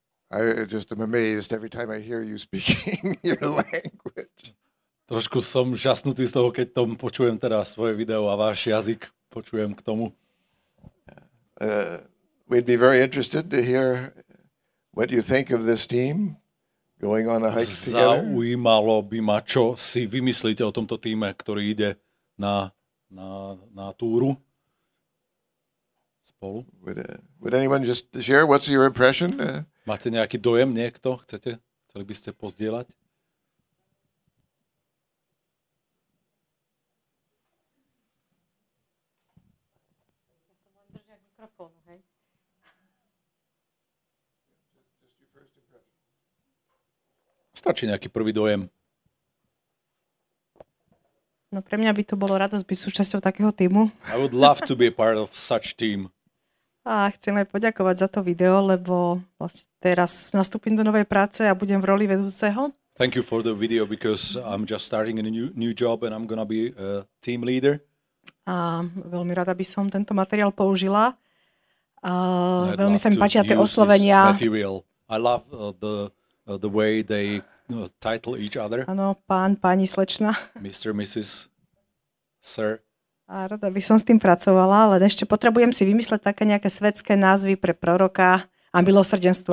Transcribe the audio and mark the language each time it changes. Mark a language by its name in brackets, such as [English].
[English] I just am amazed every time I hear you speaking your language. [Slovak] Trošku som žasnutý z toho, keď tom počujem teda svoje video a váš jazyk počujem k tomu. [English] We'd be very interested to hear what you think of this team going on a hike together. [Slovak] Zaujímalo by ma, čo si vymyslíte o tomto týme, ktorý ide na túru spolu. [English] Would anyone just share what's your impression? [Slovak] Máte nejaký dojem, niekto? Chceli by ste pozdieľať? Stačí nejaký prvý dojem? No pre mňa by to bolo radosť byť súčasťou takého týmu. [English] I would love to be a part of such team. [Slovak] A chcem aj poďakovať za to video, lebo vlastne teraz nastúpim do novej práce a budem v roli vedúceho. [English] Thank you for the video because I'm just starting a new job and I'm going to be a team leader. [Slovak] A veľmi rada by som tento materiál použila. Veľmi sa mi páčia tie oslovenia. [English] Material. I love the way they title each other. [Slovak] Áno, pán, pani, slečna. [English] Mr., Mrs., sir. [Slovak] A rada by som s tým pracovala, ale ešte potrebujem si vymysleť také nejaké svetské názvy pre proroka a milosrdenstvo.